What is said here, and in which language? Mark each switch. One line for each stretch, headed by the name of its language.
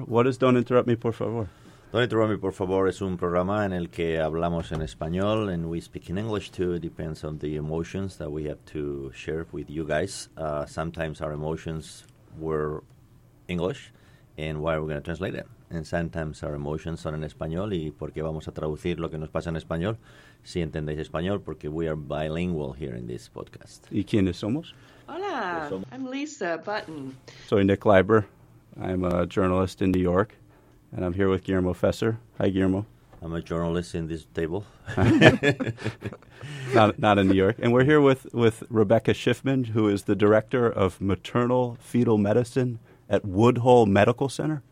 English: What is Don't Interrupt Me, Por Favor?
Spanish: Don't Interrupt Me, Por Favor es un programa en el que hablamos en español,
English: and we speak in English too. It depends on the emotions that we have to share with you guys. Sometimes our emotions were English, and why are we going to translate it? And sometimes our emotions
Spanish: son en español, y por qué vamos a traducir lo que nos pasa en español, si entendéis español, porque
English: we are bilingual here in this podcast.
Spanish: ¿Y quiénes somos?
English: Hola, I'm Lisa Button.
Spanish: Soy Nick Leiber.
English: I'm a journalist in New York. And I'm here with Guillermo Fesser. Hi, Guillermo. I'm a journalist in this table. not in New York. And we're here with Rebecca Schiffman, who is the director of maternal fetal medicine at Woodhull Medical Center.